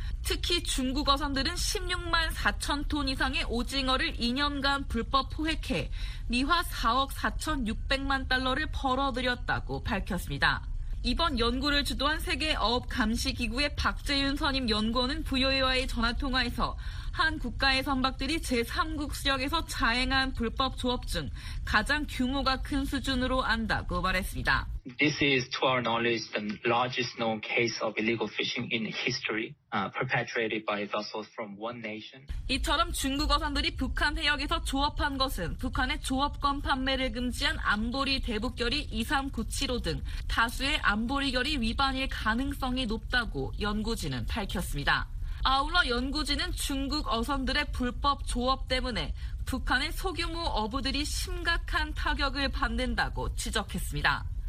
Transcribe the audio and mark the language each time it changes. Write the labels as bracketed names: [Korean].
[Korean] 특히 중국 어선들은 16만 4천 톤 이상의 오징어를 2년간 불법 포획해 미화 4억 4,600만 달러를 벌어들였다고 밝혔습니다. 이번 연구를 주도한 세계어업감시기구의 박재윤 선임 연구원은 VOA와의 전화통화에서 한 국가의 선박들이 제3국 수역에서 자행한 불법 조업 중 가장 규모가 큰 수준으로 안다고 말했습니다. [English] This is, to our knowledge, the largest known case of illegal fishing in history, perpetrated by vessels from one nation. [Korean] 이처럼 중국 어선들이 북한 해역에서 조업한 것은 북한의 조업권 판매를 금지한 안보리 대북결의 2397호 등 다수의 안보리 결의 위반일 가능성이 높다고 연구진은 밝혔습니다. 아울러 연구진은 중국 어선들의 불법 조업 때문에 북한의 소규모 어부들이 심각한 타격을 받는다고 지적했습니다.